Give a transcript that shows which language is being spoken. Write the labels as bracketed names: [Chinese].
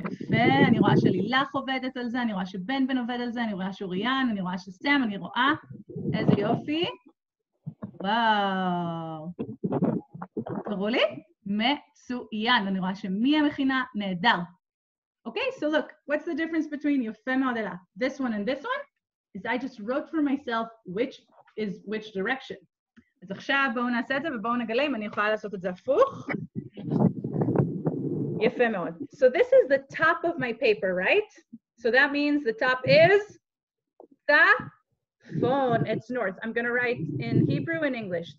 [Hebrew] ואני רואה שלילך עובדת על זה, אני רואה שבן בן עובד על זה, אני רואה שוריאן, אני רואה שסם, אני רואה איזה יופי. וואו. תראו לי, מצוין. אני רואה שמי המכינה נהדר. [English] Okay, so look, what's the difference between Yofe Me'odela, this one and this one? Is I just wrote for myself which is which direction. [Hebrew] אז עכשיו בואו נעשה את זה ובואו נגלה אם אני יכולה לעשות את זה הפוך. יפה מאוד. [English] So this is the top of my paper, right? So that means the top is צפון, it's north. I'm going to write in Hebrew and English.